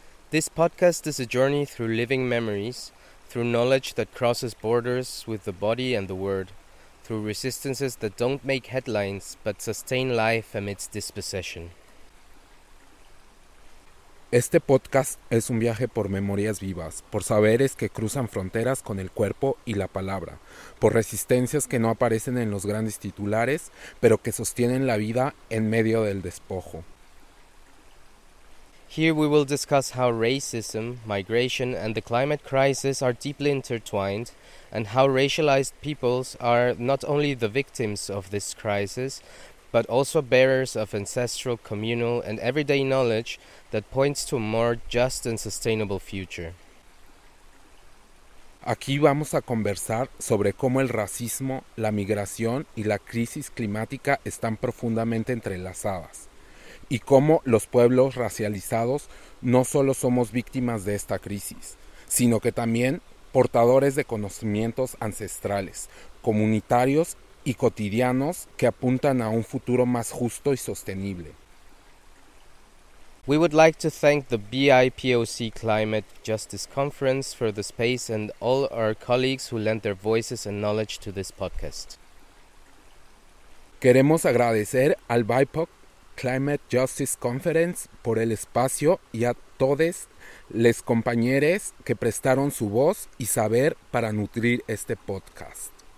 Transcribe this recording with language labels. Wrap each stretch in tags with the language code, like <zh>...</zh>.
<en>This podcast is a journey through living memories, through knowledge that crosses borders with the body and the word, through resistances that don't make headlines but sustain life amidst dispossession.</en> <es>Este podcast es un viaje por memorias vivas, por saberes que cruzan fronteras con el cuerpo y la palabra, por resistencias que no aparecen en los grandes titulares, pero que sostienen la vida en medio del despojo.</es> <en>Here we will discuss how racism, migration, and the climate crisis are deeply intertwined, and how racialized peoples are not only the victims of this crisis, but also bearers of ancestral, communal, and everyday knowledge that points to a more just and sustainable future.</en> <es>Aquí vamos a conversar sobre cómo el racismo, la migración y la crisis climática están profundamente entrelazadas, y cómo los pueblos racializados no solo somos víctimas de esta crisis, sino que también portadores de conocimientos ancestrales, comunitarios y cotidianos que apuntan a un futuro más justo y sostenible.</es> <en>We would like to thank the BIPOC Climate Justice Conference for the space and all our colleagues who lent their voices and knowledge to this podcast.</en> <es>Queremos agradecer al BIPOC Climate Justice Conference por el espacio y a todos los compañeros que prestaron su voz y saber para nutrir este podcast.</es>